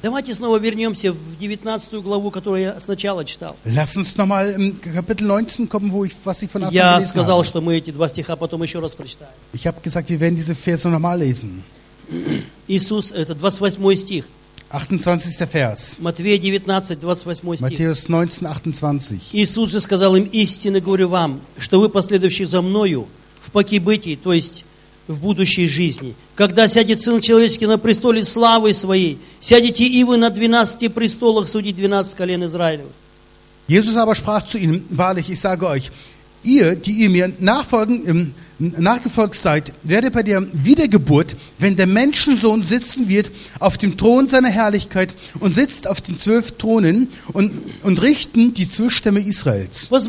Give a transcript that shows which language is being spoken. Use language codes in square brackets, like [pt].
[ru] Давайте снова вернемся в 19 главу, которую я сначала читал. [de] Lass uns nochmal im Kapitel 19 kommen, wo ich, was ich von Anfang an lesen habe. [ru] Я сказал, что мы эти два стиха потом еще раз прочитаем. [de] Ich habe gesagt, wir werden diese Verse nochmal lesen. [ru] Иисус, это 28 стих. [de] 28. Vers. [ru] Матфея 19:28. [de] Matthäus 19:28. [ru] Иисус же сказал им: истинно говорю вам, что вы последующие за мною в покибытии, то есть в будущей жизни, когда сядет Сын человеческий на престоле славы своей, сядете и вы на 12 престолах судить 12 колен Израилевых. [de] Jesus aber sprach zu ihnen: Wahrlich, ich sage euch, ihr, die ihr mir nachgefolgt seid, werdet bei der Wiedergeburt, wenn der Menschensohn sitzen wird auf dem Thron seiner Herrlichkeit und sitzt auf den 12 Thronen und richten die 12 Stämme Israels.